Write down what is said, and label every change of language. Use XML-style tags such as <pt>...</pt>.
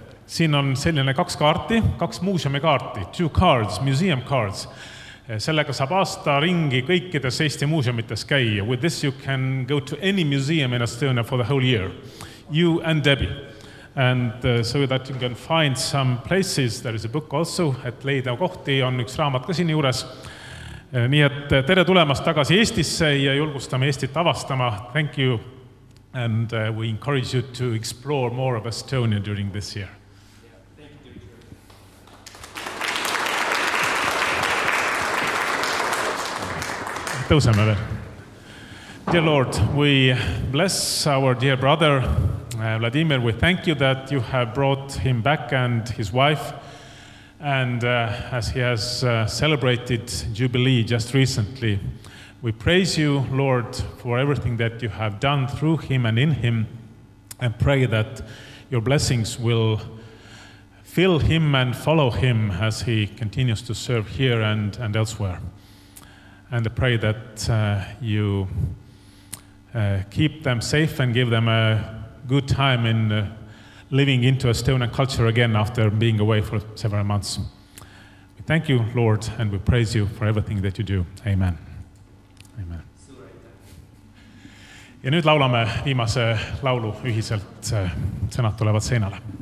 <et>Siin on selline kaks kaarti, kaks muuseumi kaarti.</et> <en>Two cards, museum cards.</en> <et>Sellega saab aasta ringi kõikides Eesti muuseumites käia.</et> <en>With this you can go to any museum in Estonia for the whole year. You and Debbie. And so that you can find some places, there is a book also,</en> <et>et leida kohti, on üks raamat ka siin juures. Nii et tere tulemast tagasi Eestisse ja julgustame Eestit avastama.</et> <en>Thank you and we encourage you to explore more of Estonia during this year. Dear Lord, we bless our dear brother Vladimir, we thank you that you have brought him back and his wife, and as he has celebrated Jubilee just recently. We praise you, Lord, for everything that you have done through him and in him, and pray that your blessings will fill him and follow him as he continues to serve here and elsewhere. And I pray that you keep them safe and give them a good time in living into Estonian culture again after being away for several months. We thank you, Lord, and we praise you for everything that you do. Amen. Amen.</en> <et>Ja nüüd laulame viimase laulu ühiselt. Sõnad tulevad seinale.</et>